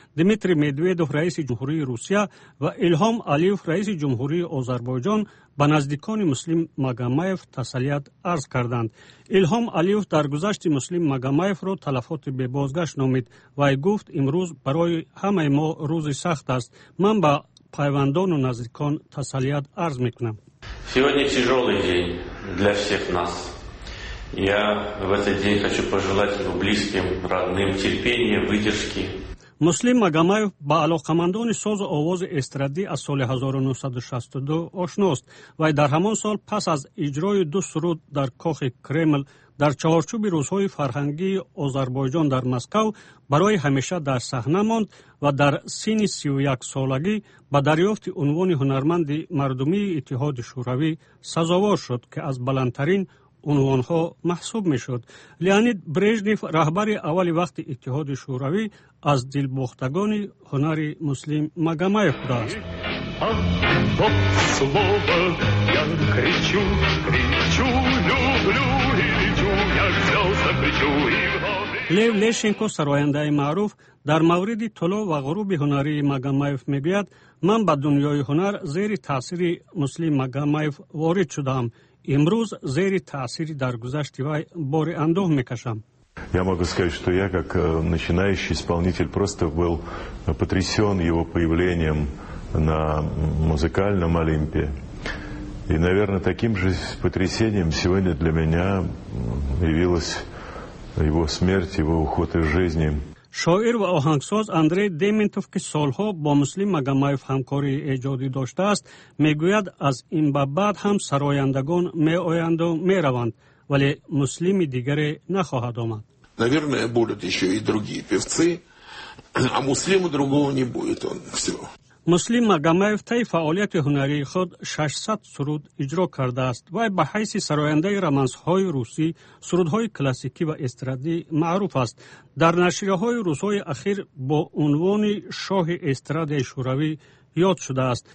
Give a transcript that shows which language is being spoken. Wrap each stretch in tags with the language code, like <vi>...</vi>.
<fa>دیمیتری مدویدوف رئیس جمهوری روسیه و الهام علیف رئیس جمهوری آذربایجان به نزدیکان مسلم مگمایف تسلیت عرض کردند. الهام علیف درگذشت مسلم مگمایف را تلفات به بازگشت نامید و گفت امروز برای همه ما روز سخت است. من به پیوندان و نزدیکان تسلیت عرض می کنم.</fa> <ru>Сегодня тяжёлый день для всех нас. Я в этот день хочу пожелать его близким, родным терпения, выдержки.</ru> <fa>مسلم مگمایف با علاقمندان ساز و آواز استرادی از سال 1962 آشناست و در همان سال پس از اجرای دو سرود در کاخ کرمل در چهارچوب روزهای فرهنگی آذربایجان در مسکو برای همیشه در صحنه ماند و در سن 31 سالگی به دریافت عنوان هنرمند مردمی اتحاد شوروی سزاوار شد که از بلندترین عنوانها محسوب می شد. لئونید برژنف رهبر اول وقت اتحاد شوروی از دل بوختگان هنر مسلم مگمایف بود. لیو لیشنکو سراینده معروف در مورد طلوع و غروب هنر مگمایف میگوید من به دنیای هنر زیر تاثیر مسلم مگمایف وارد شدم. امروز زیر تاثیر درگذشت وی بار اندوه میکشم.</fa> <ru>Я могу сказать, что я как начинающий исполнитель просто был потрясен его появлением на музыкальном Олимпе. И, наверное, таким же потрясением сегодня для меня явилась его смерть, его уход из жизни.</ru> <tg>Шоир ва оҳангсоз Андрей Дементов, ки солҳо бо Муслим Магомаев ҳамкории эҷодӣ доштааст, мегӯяд аз ин ба баъд ҳам сарояндагон меоянду мераванд. Вале муслими дигаре нахоҳад омад.</tg> <ru>Наверное, будут ещё и другие певцы, а Муслима другого не будет, он всё.</ru> <tg>Муслим Магомаев таи фаъолияти ҳунарии худ 600 суруд иҷро кардааст ва ба ҳайси сарояндаи романсҳои русӣ, сурудҳои классикӣ ва эстрадӣ маъруф аст. Дар нашрияҳои рӯзҳои ахир бо унвони шоҳи эстрадаи шӯравӣ ёд шудааст.</tg>